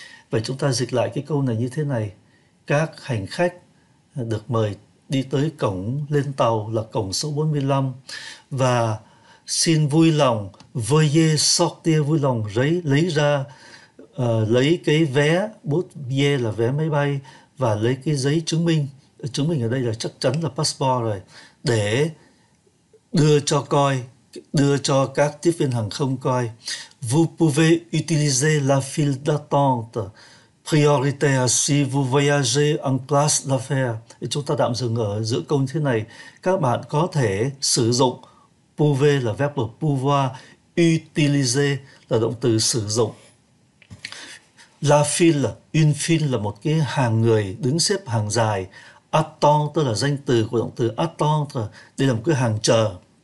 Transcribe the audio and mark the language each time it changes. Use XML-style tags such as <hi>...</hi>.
<vi>Vậy chúng ta dịch lại cái câu này như thế này: các hành khách được mời đi tới cổng lên tàu là cổng số 45 và xin vui lòng</vi> <fr>veuillez sortir,</fr> <vi>vui lòng lấy ra, lấy cái vé bút bia là vé máy bay và lấy cái giấy chứng minh, chứng minh ở đây là chắc chắn là passport rồi, để đưa cho coi, đưa cho các tiếp viên hàng không coi.</vi> <fr>Vous pouvez utiliser la file d'attente prioritaire si vous voyagez en classe d'affaires.</fr> <vi>Chúng ta tạm dừng ở giữa câu như thế này. Các bạn có thể sử dụng, pouvez là verb pouvoir, utiliser là động từ sử dụng.</vi> <fr>La file, une file</fr> <vi>là một cái hàng người đứng xếp hàng dài. Attente tức là danh từ của động từ attente, đây là một cái hàng chờ.</vi>